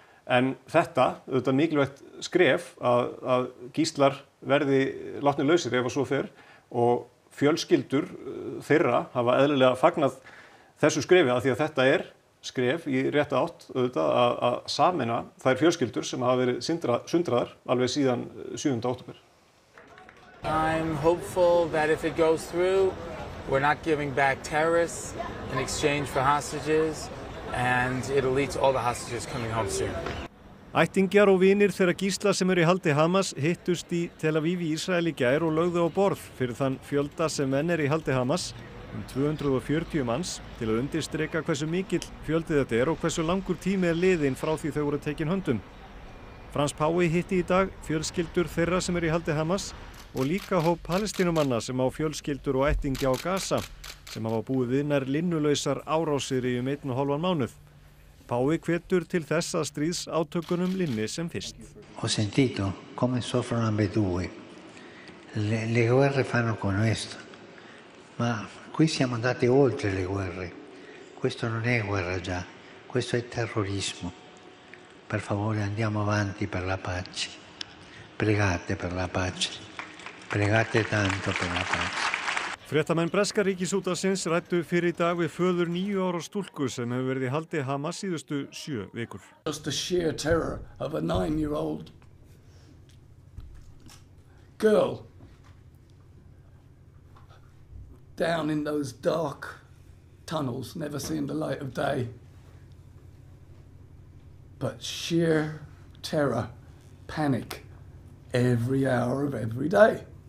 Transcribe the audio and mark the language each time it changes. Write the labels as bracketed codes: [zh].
[is] En þetta mikilvægt skref að gíslar verði látnir lausir ef að svo fer. Og fjölskyldur þeirra hafa eðlilega fagnað þessu skrefi af því að þetta skref í rétt átt að sameina þær fjölskyldur sem hafa verið sundraðar alveg síðan 7. október. [en] I'm hopeful that if it goes through, we're not giving back terrorists in exchange for hostages and it'll lead to all the hostages coming home soon. [is] Ættingjar og vinir þeirra gísla sem eru í haldi Hamas hittust í Tel Aviv í Ísrael í gær og lögðu á borð fyrir þann fjölda sem enn í haldi Hamas. 240 manns til að undirstreka hversu mikill fjöldið þetta og hversu langur tími liðin frá því þau voru tekin höndum. Frans Páfi hitti í dag fjölskyldur þeirra sem í haldi Hamas og líka hóp palestínumanna sem á fjölskyldur og ættingja á Gaza sem hafa búið við nær linnulausar árásir í 1.5 mánuð. Páfi hvetur til þess að stríðsátökunum linni sem fyrst. [it] Ho sentito come soffrono ambe due. Le guerre fanno con questo. Ma qui siamo andati oltre le guerre. Questo non è guerra già, questo è terrorismo. Per favore, andiamo avanti per la pace. Pregate per la pace. Pregate tanto per la pace. [is] Fréttamenn breska ríkisútvarpsins ræddu fyrir í dag við föður 9 ára stúlku sem hefur verið í haldi Hamas síðustu 7 vikur. [en] Just the sheer terror of a 9-year-old girl. Down in those dark tunnels, never seeing the light of day. But sheer terror, panic, every hour of every day.